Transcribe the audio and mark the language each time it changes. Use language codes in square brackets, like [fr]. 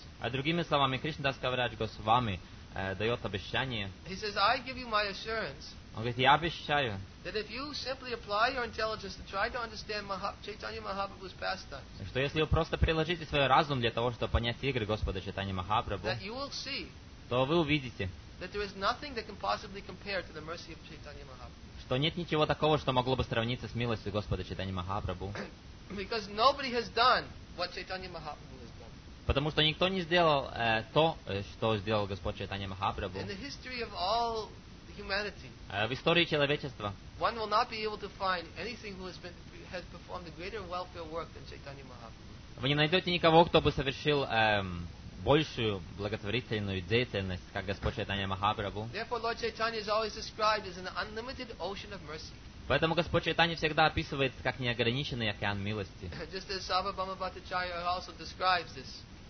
[ru] Другими словами, Кришна Дас Кавирадж Госвами дает обещание. [en] He says, I give you my assurance. [ru] Он говорит, я обещаю. [en] That if you simply apply your intelligence to try to understand Chaitanya Mahaprabhu's pastimes. [ru] Что если вы просто приложите свой разум для того, чтобы понять игры Господа Чайтани Махапрабху. [en] That you will see. [ru] То вы увидите. [en] That there is nothing that can possibly compare to the mercy of Chaitanya Mahaprabhu. [ru] Что нет ничего такого, что могло бы сравниться с милостью Господа Чайтани Махапрабху. [en] Because nobody has done what Chaitanya Mahaprabhu. [ru] Потому что никто не сделал то, что сделал Господь Чайтани Махапрабху. [en] In the history of all humanity, [ru] в истории человечества, [en] one will not be able to find anything who has performed a greater welfare work than Chaitanya Mahaprabhu. [ru] Вы не найдете никого, кто бы совершил большую благотворительную деятельность, как Господь Чайтани Махапрабху. [en] Therefore, Lord Chaitanya is always described as an unlimited ocean of mercy. [ru] Поэтому Господь Чайтани всегда описывается как неограниченный океан милости. [en] Just as Sarva Bhauma Bhattacharya also describes this.